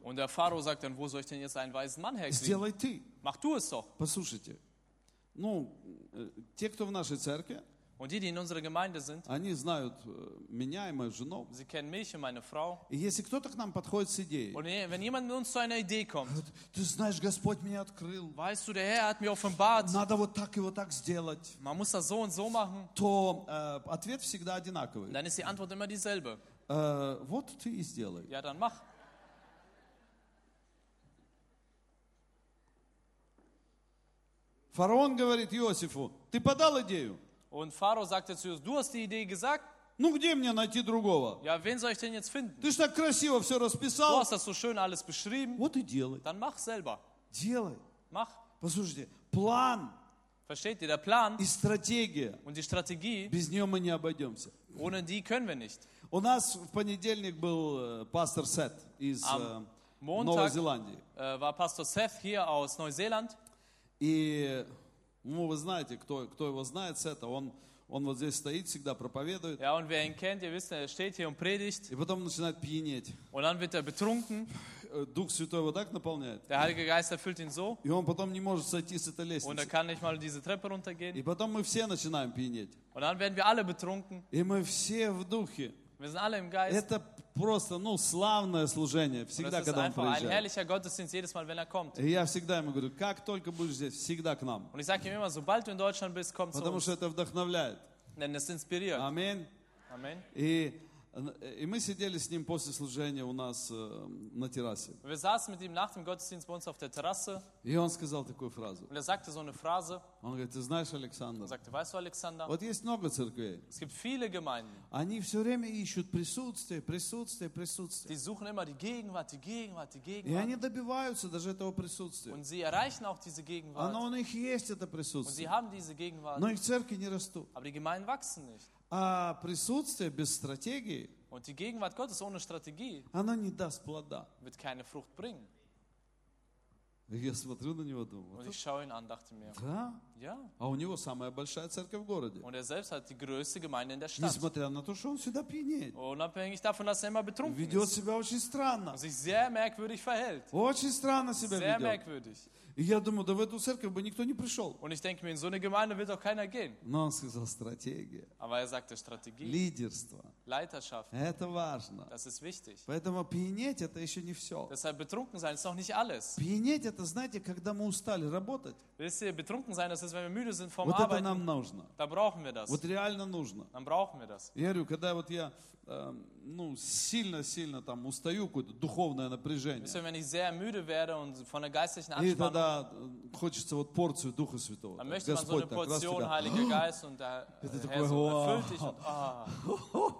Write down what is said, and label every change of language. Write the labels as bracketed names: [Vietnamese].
[German] Und der Pharao sagt dann, wo soll ich denn jetzt einen weisen Mann herkriegen? [Russian] Сделай ты. [German] Mach du es doch. [Russian] Послушайте, ну, те, кто в нашей церкви, [German] und die, die in unserer Gemeinde sind, [Russian] они знают меня и мою жену. [German] Sie kennen mich und meine Frau. [Russian] И если кто-то к нам подходит с идеей, [German] und wenn jemand mit uns zu einer Idee kommt, [Russian] ты знаешь, Господь меня открыл. [German] Weißt du, der Herr hat mir offenbart. [Russian] Надо вот так и вот так сделать. [German] Man muss das so und so machen. [Russian] То ответ всегда одинаковый. [German] Dann ist die Antwort immer dieselbe. [Russian] Вот ты и сделай. [German] Ja, dann mach. [Russian] Фараон говорит Иосифу, ты подал идею? [German] Und Pharao sagte zu Josef, du hast die Idee gesagt. [Russian] Ну, где мне найти другого? [German] Ja, wen soll ich denn jetzt finden? [Russian] Ты ж так красиво все расписал. [German] Du hast das so schön alles beschrieben. [Russian] Вот и делай. [German] Dann mach selber. [Russian] Делай. [German] Mach. [Russian] Послушайте, план. [German] Versteht ihr, der Plan. [Russian] И стратегия. [German] Und die Strategie. [Russian] Без нее мы не обойдемся. [German] Ohne die können wir nicht. [Russian] У нас в понедельник был пастор Сет из Новой Зеландии. [German] War Pastor Seth hier aus Neuseeland. [Russian] И... Ну, вы знаете, кто его знает, Сета, он вот здесь стоит, всегда проповедует. [German] Ja, und wer ihn kennt, ihr wisst, er steht hier und predigt. [Russian] И потом начинает пьянеть. [German] Und dann wird er betrunken. [Russian] Дух Святой его так наполняет. [German] Der Heilige Geist erfüllt ihn so. [Russian] И он потом не может сойти с этой лестницы. [German] Und er kann nicht mal diese Treppe runtergehen. [Russian] И потом мы все начинаем пьянеть. [German] Und dann werden wir alle betrunken. [Russian] И мы все в духе. [German] Wir sind alle im Geist. [Russian] Это просто, ну, славное служение, всегда, когда он приезжает. [German] Das ist einfach ein herrlicher Gottesdienst, jedes Mal, wenn er kommt. [Russian] И я всегда ему говорю, как только будешь здесь, всегда к нам. [German] Und ich sage ihm immer, sobald du in Deutschland bist, komm zu uns. [Russian] Потому что это вдохновляет. [German] Denn es inspiriert. Amen. Amen. [Russian] И И мы сидели с ним после служения у нас на террасе. [German] Wir saßen mit ihm nach dem Gottesdienst bei uns auf der Terrasse. [Russian] И он сказал такую фразу. [German] Und er sagte so eine Phrase. [Russian] Он говорит, ты знаешь, Александр? [German] Er sagte, weißt du, Alexander? [Russian] Вот есть много церквей. [German] Es gibt viele Gemeinden. [Russian] Они все время ищут присутствие, присутствие, присутствие. [German] Die suchen immer die Gegenwart, die Gegenwart, die Gegenwart. [Russian] И они добиваются даже этого присутствия. [German] Und sie erreichen auch diese Gegenwart. [Russian] Оно у них есть это присутствие. [German] Und sie haben diese Gegenwart. [Russian] Но их церкви не растут. [German] Aber die Gemeinden wachsen nicht. [Russian] А присутствие без стратегии, [German] und die Gegenwart Gottes ohne Strategie, [Russian] оно не даст плода. [German] Wird keine Frucht bringen. [Russian] Я смотрю на него, думаю. [German] Und ich schaue ihn an, dachte mir. [Russian] Да? [German] Ja. [Russian] А у него самая большая церковь в городе. [German] Und er selbst hat die größte Gemeinde in der Stadt. [Russian] Несмотря на то, что он всегда пьянеет. [German] Unabhängig davon, dass er immer betrunken ist. [Russian] Ведет себя очень странно. [German] Sich sehr merkwürdig verhält. [Russian] Очень странно себя [German] sehr Sehr merkwürdig. [Russian] И я думаю, да в эту церковь бы никто не пришел. [German] Und ich denke mir, in so eine Gemeinde wird auch keiner gehen. [Russian] Но он сказал, стратегия. [German] Aber er sagte, Strategie. [Russian] Лидерство. [German] Leiterschaft. [Russian] Это важно. [German] Das ist wichtig. [Russian] Поэтому пьянеть, это еще не все. [German] Deshalb betrunken sein ist noch nicht alles. [Russian] Пьянеть, это знаете, когда мы устали работать. [German] Wisst ihr, betrunken sein, das ist, wenn wir müde sind vom Arbeiten. [Russian] Вот это нам нужно. [German] Da brauchen wir das. [Russian] Вот реально нужно. [German] Dann brauchen wir das. [Russian] Я говорю, когда вот я сильно-сильно там устаю, какое-то духовное напряжение. [German] Wisst ihr, wenn ich sehr müde werde und von der geistlichen Anspannung. [Russian] Когда хочется вот порцию Духа Святого. [German] Dann möchte man so eine Portion Heiliger Geist und der Herr so erfüllt dich.